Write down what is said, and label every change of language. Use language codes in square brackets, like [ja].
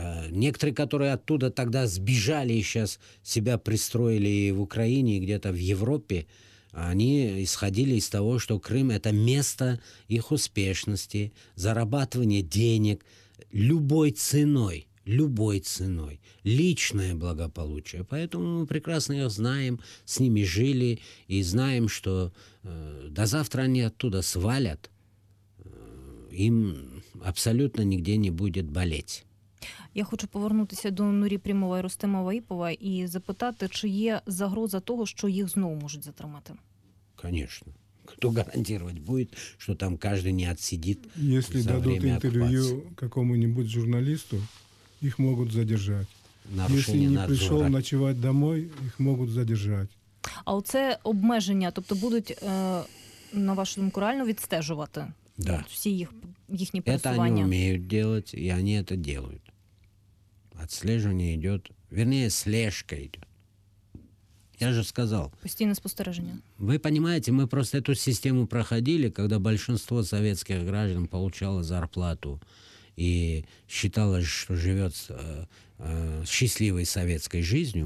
[ru] Некоторые, которые оттуда тогда сбежали и сейчас себя пристроили и в Украине, и где-то в Европе, они исходили из того, что Крым — это место их успешности, зарабатывания денег любой ценой. Любой ценой. Личное благополучие. Поэтому мы прекрасно их знаем, с ними жили и знаем, что до завтра они оттуда свалят. Им абсолютно нигде не будет болеть. [uk] Я хочу повернутися до Нурі Прімова і Рустема Ваїпова і запитати, чи є загроза того, що їх знову можуть затримати? [ru] Конечно. Кто гарантировать будет, что там каждый не отсидит? Если дадут интервью какому-нибудь журналисту, их могут задержать. Нарушение если не надзора. Пришел ночевать домой, их могут задержать. [uk] А оце обмеження, тобто будуть, на вашу думку, реально відстежувати? [ru] Да. [uk] Все їхні пересування? [ru] Это они умеют делать, и они это делают. Отслеживание идет, вернее, слежка идет. Я же сказал. Постоянное спостережение. Вы понимаете, мы просто эту систему проходили, когда большинство советских граждан получало зарплату и считалось, что живет счастливой советской жизнью.